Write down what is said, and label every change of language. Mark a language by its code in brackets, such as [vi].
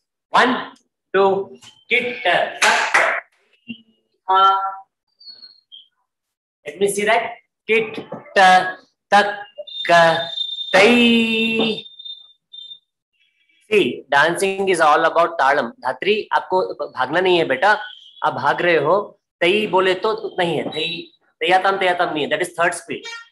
[en] One, two, kit, tat, ha. Let me see that. Kit, tat, tai. See, dancing is all about talam. [hi] Dhatri, आपको भागना नहीं है बेटा, आप भाग रहे हो. Tai बोले तो नहीं है. [en] Tai, tayatam [hi] नहीं है. [en] That is third speed.